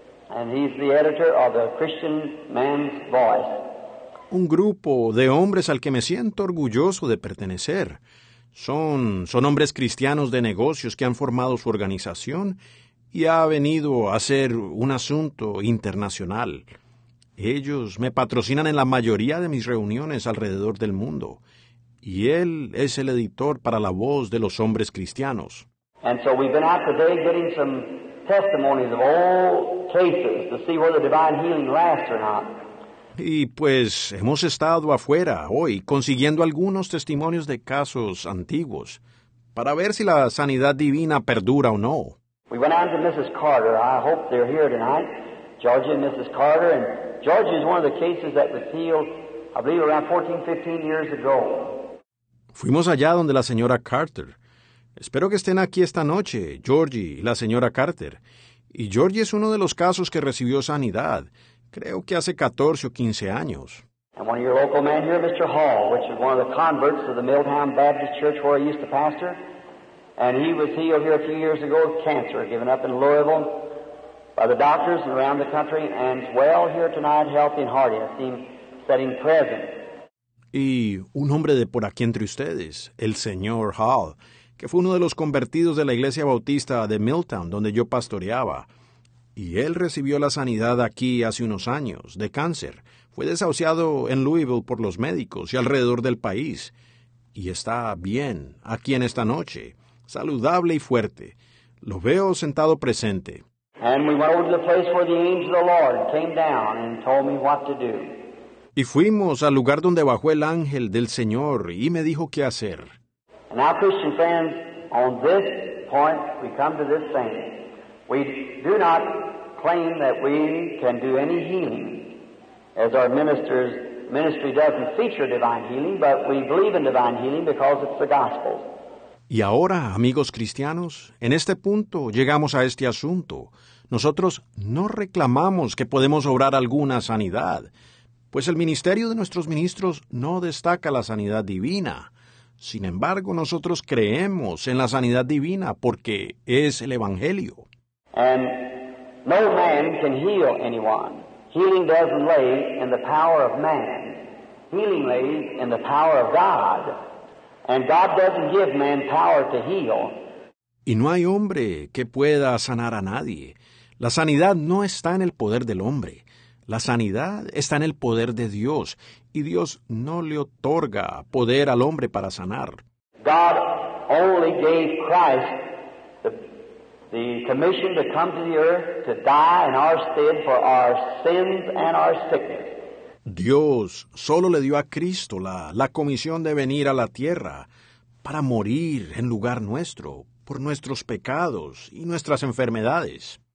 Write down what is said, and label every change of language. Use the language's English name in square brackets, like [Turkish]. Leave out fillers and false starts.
[English] And he's the editor of the Christian Man's Voice. [Spanish] Un grupo de hombres al que me siento orgulloso de pertenecer. Son hombres cristianos de negocios que han formado su organización y ha venido a ser un asunto internacional. Ellos me patrocinan en la mayoría de mis reuniones alrededor del mundo. Y él es el editor para La Voz de los Hombres Cristianos. [English] And so we've been out today getting some testimonies of old cases to see whether divine healing lasts or not. [Spanish] Y pues hemos estado afuera hoy consiguiendo algunos testimonios de casos antiguos para ver si la sanidad divina perdura o no. [English] We went out to Mrs. Carter. I hope they're here tonight. Georgia and Mrs. Carter. And Georgia is one of the cases that was healed, I believe, around 14, 15 years ago. [Spanish] Fuimos allá donde la señora Carter. Espero que estén aquí esta noche, Georgie y la señora Carter. Y Georgie es uno de los casos que recibió sanidad. Creo que hace 14 o 15 años. [English] And one of your local men here, Mr. Hall, which is one of the converts of the Milltown Baptist Church where I used to pastor. And he was healed here a few years ago of cancer, given up in Louisville by the doctors around the country, and well here tonight, healthy and hearty. I see him sitting present. [Spanish] Y un hombre de por aquí entre ustedes, el señor Hall, que fue uno de los convertidos de la Iglesia Bautista de Milltown, donde yo pastoreaba. Y él recibió la sanidad aquí hace unos años, de cáncer. Fue desahuciado en Louisville por los médicos y alrededor del país. Y está bien, aquí en esta noche, saludable y fuerte. Lo veo sentado presente. [English] And we went over to the place where the angel of the Lord came down and told me what to do. [Spanish] Y fuimos al lugar donde bajó el ángel del Señor y me dijo qué hacer. [English] And now, Christian friends, on this point, we come to this thing. We do not claim that we can do any healing, as our ministry doesn't feature divine healing, but we believe in divine healing because it's the gospel. [Spanish] Y ahora, amigos cristianos, en este punto llegamos a este asunto. Nosotros no reclamamos que podemos obrar alguna sanidad, pues el ministerio de nuestros ministros no destaca la sanidad divina. Sin embargo, nosotros creemos en la sanidad divina porque es el Evangelio. [English] And no man can heal anyone. Healing doesn't lay in the power of man. Healing lays in the power of God. And God doesn't give man power to heal. [Spanish] Y no hay hombre que pueda sanar a nadie. La sanidad no está en el poder del hombre. La sanidad está en el poder de Dios. Y Dios no le otorga poder al hombre para sanar. [English] God only gave Christ the commission to come to the earth to die in our stead for our sins and our sickness. [Spanish] Dios solo le dio a Cristo la comisión de venir a la tierra para morir en lugar nuestro por nuestros pecados y nuestras enfermedades.